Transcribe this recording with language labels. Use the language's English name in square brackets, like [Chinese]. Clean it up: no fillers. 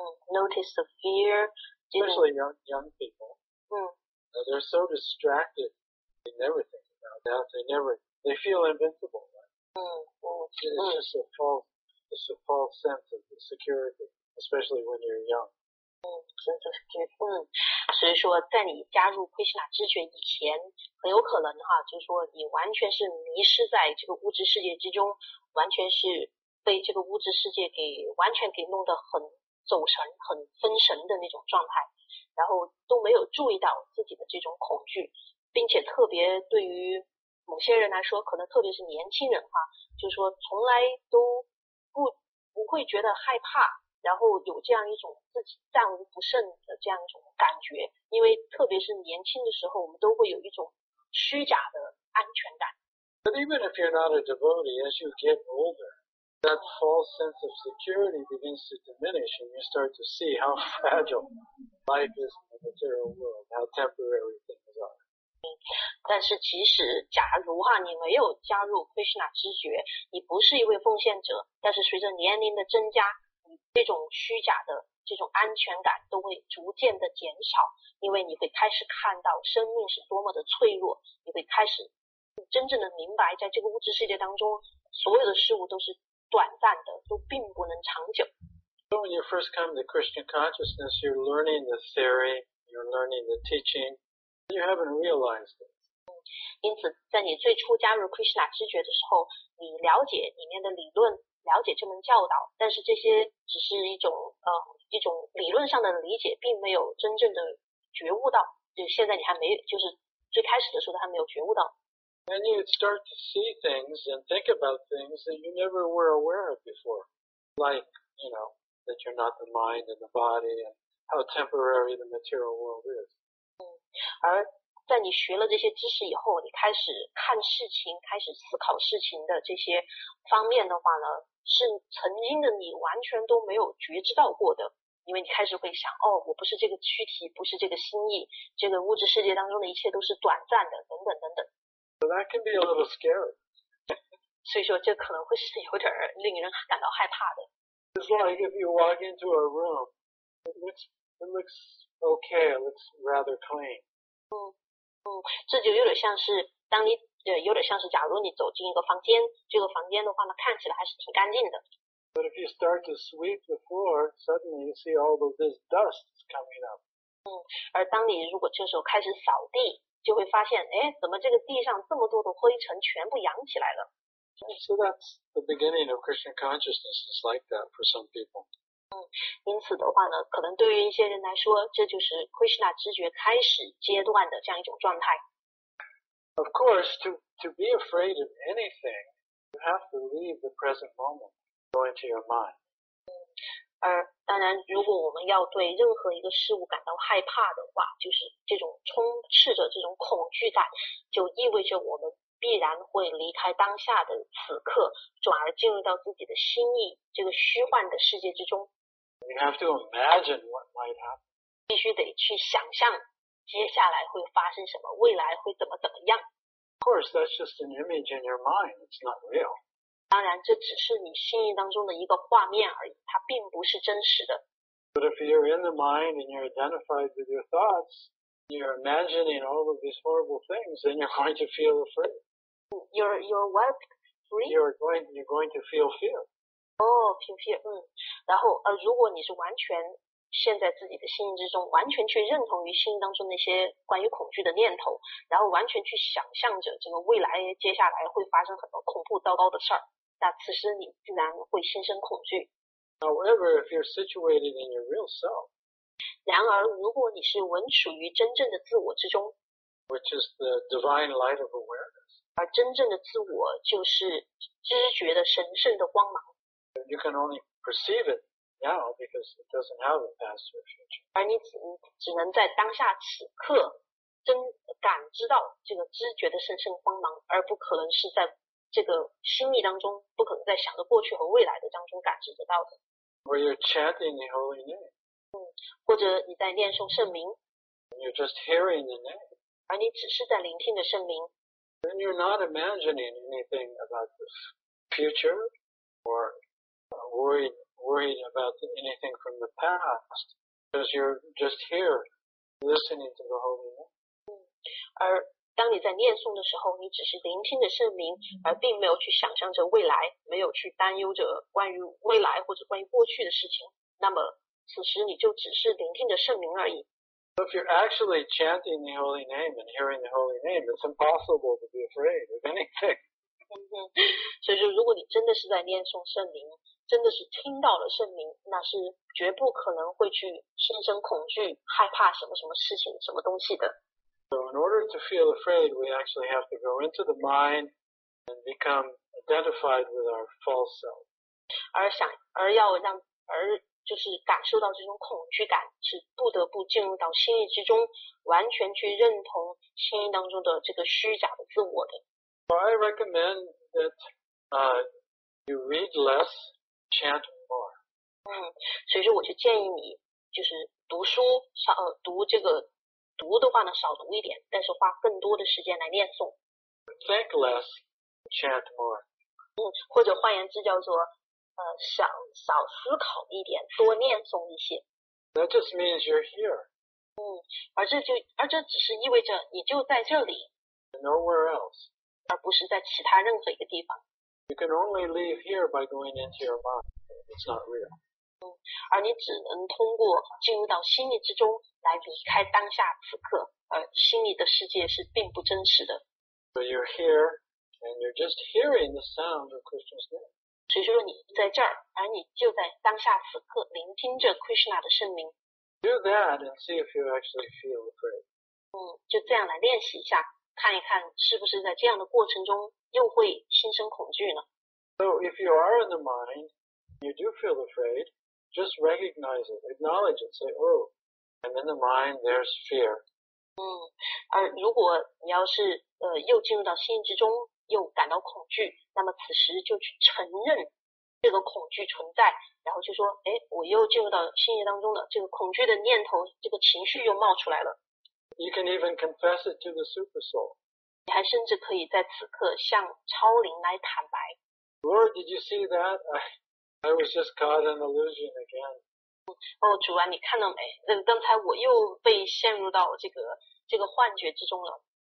[English] Notice the fear. Especially young people. They're so distracted, they never think about that. They feel invincible. It's just a false sense of security, especially when you're young. [Chinese] 所以说在你加入奎希纳之学以前，很有可能哈，就是说你完全是迷失在这个物质世界之中，完全是被这个物质世界给完全给弄得很走神很分神的那种状态，然后都没有注意到自己的这种恐惧，并且特别对于某些人来说，可能特别是年轻人哈，就是说从来都不会觉得害怕，然后有这样一种自己战无不胜的这样一种感觉，因为特别是年轻的时候，我们都会有一种虚假的安全感。 [English] But even if you're not a devotee, as you get older, that false sense of security begins to diminish, and you start to see how fragile life is in the material world, how temporary things are. [Chinese] 但是即使假如哈，你没有加入 Krishna 知觉，你不是一位奉献者，但是随着年龄的增加，这种虚假的这种安全感都会逐渐的减少，因为你会开始看到生命是多么的脆弱，你会开始真正的明白在这个物质世界当中所有的事物都是短暂的，都并不能长久。 [English] When you first come to Krishna consciousness, you're learning the theory, you're learning the teaching, you haven't realized it. [Chinese] 因此在你最初加入 Krishna 知觉的时候，你了解里面的理论，了解这门教导，但是这些只是一种理论上的理解，并没有真正的觉悟到，就现在你还没，就是最开始的时候都还没有觉悟到。 [English] And you start to see things and think about things that you never were aware of before, like, you know, that you're not the mind and the body and how temporary the material world is. [Chinese] 而在你学了这些知识以后，你开始看事情，开始思考事情的这些方面的话呢，是曾经的你完全都没有觉知到过的，因为你开始会想，哦，我不是这个躯体，不是这个心意，这个物质世界当中的一切都是短暂的，等等等等。 [English] So that can be a little scary. [Chinese] 所以说这可能会是有点令人感到害怕的。 [English] It's like if you walk into a room, it looks okay, it looks rather clean. [Chinese] 这就有点像是当你有点像是假如你走进一个房间，这个房间的话呢看起来还是挺干净的。 [English] But if you start to sweep the floor, suddenly you see all of this dust coming up. [Chinese] 而当你如果这时候开始扫地，就会发现诶，怎么这个地上这么多的灰尘全部扬起来了。 [English] So that's the beginning of Krishna consciousness is like that for some people. [Chinese] 因此的话呢，可能对于一些人来说，这就是 Krishna 知觉开始阶段的这样一种状态。 [English] Of course, to be afraid of anything, you have to leave the present moment, go into your mind. [Chinese] 当然，如果我们要对任何一个事物感到害怕的话，就是这种充斥着这种恐惧感，就意味着我们必然会离开当下的此刻，转而进入到自己的心意这个虚幻的世界之中。 [English] You have to imagine what might happen. [Chinese] 必须得去想象接下来会发生什么，未来会怎么怎么样。 [English] Of course, that's just an image in your mind. It's not real. [Chinese] 当然，这只是你心意当中的一个画面而已，它并不是真实的。 [English] But if you're in the mind and you're identified with your thoughts, you're imagining all of these horrible things, then you're going to feel afraid. You're what? Free? You're going to feel fear. Oh, fear. [Chinese] 然后如果你是完全陷在自己的心意之中，完全去认同于心意当中那些关于恐惧的念头，然后完全去想象着这个未来接下来会发生很多恐怖糟糕的事儿，那此时你自然会心生恐惧。 [English] However, if you're situated in your real self, [Chinese] 然而如果你是稳处于真正的自我之中， [English] which is the divine light of awareness, [Chinese] 而真正的自我就是知觉的神圣的光芒， [English] you can only perceive it now because it doesn't have a past or future. [Chinese] 而你只能在当下此刻真感知到这个知觉的神圣光芒，而不可能是在这个心意当中，不可能在想着过去和未来的当中感知得到的。 [English] Or you're chanting the holy name. [Chinese] 或者你在念诵圣名。 [English] And you're just hearing the name. [Chinese] 而你只是在聆听的圣名。 [English] Then you're not imagining anything about the future or worried about anything from the past, because you're just here listening to the holy name. [Chinese] 而当你在念诵的时候，你只是聆听着圣名，而并没有去想象着未来，没有去担忧着关于未来或者关于过去的事情。那么此时你就只是聆听着圣名而已。 [English] So if you're actually chanting the holy name and hearing the holy name, it's impossible to be afraid of anything. [Chinese] 所以说如果你真的是在念诵圣灵，真的是听到了圣灵，那是绝不可能会去心生恐惧，害怕什么什么事情，什么东西的。 [English] So in order to feel afraid, we actually have to go into the mind and become identified with our false self. [Chinese] 而就是感受到这种恐惧感，是不得不进入到心意之中，完全去认同心意当中的这个虚假的自我的。 [English] So I recommend that you read less, chant more. [Chinese] 所以说我就建议你，就是读书少读这个读的话呢，少读一点，但是花更多的时间来念诵。 [English] Think less, chant more. [Chinese] 或者换言之叫做。少思考一点，多念诵一些。 [English] That just means you're here. [Chinese] 而这只是意味着你就在这里。 [English] Nowhere else. [Chinese] 而不是在其他任何一个地方。 [English] You can only leave here by going into your mind. It's not real. [Chinese] 而你只能通过进入到心意之中来离开当下此刻，而心意的世界是并不真实的。 [English] So you're here, and you're just hearing the sound of Krishna's name. [Chinese] 所以说你在这儿，而你就在当下此刻聆听着 Krishna 的圣名。 [English] Do that and see if you actually feel afraid. [Chinese] 就这样来练习一下，看一看是不是在这样的过程中又会心生恐惧呢？ [English] So if you are in the mind, you do feel afraid, just recognize it, acknowledge it, say, oh, I'm in the mind, there's fear. [Chinese] 而如果你要是又进入到心之中，又感到恐惧，那么此时就去承认这个恐惧存在，然后就说，哎，我又进入到心意当中了，这个恐惧的念头，这个情绪又冒出来了。 [English] You can even confess it to the super soul. [Chinese] 你还甚至可以在此刻向超灵来坦白。 [English] Lord, did you see that? I was just caught in illusion again. [Chinese] 主啊，你看到没？刚才我又被陷入到这个幻觉之中了。